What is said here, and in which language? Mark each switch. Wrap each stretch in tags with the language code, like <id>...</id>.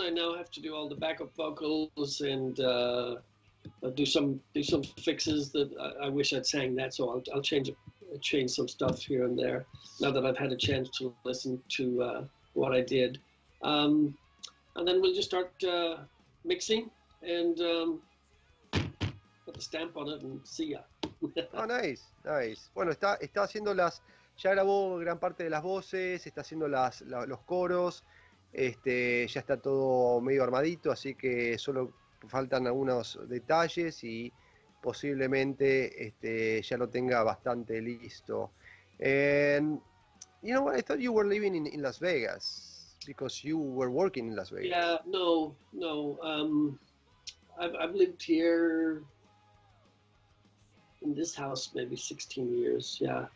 <en>I now have to do all the backup vocals and do some fixes that I wish I'd sang that. So I'll change some stuff here and there now that I've had a chance to listen to what I did, and then we'll just start mixing and put the stamp on it and see ya. Oh, nice.</en> <es>Bueno, está haciendo las, ya grabó gran parte de las voces, está haciendo los coros, Ya está todo medio armadito, así que solo faltan algunos detalles y posiblemente ya lo tenga bastante listo.</es> <en>And, you know what, I thought you were living in Las Vegas, because you were working in Las Vegas. Yeah, no. I've lived here in this house maybe 16 years, yeah.</en>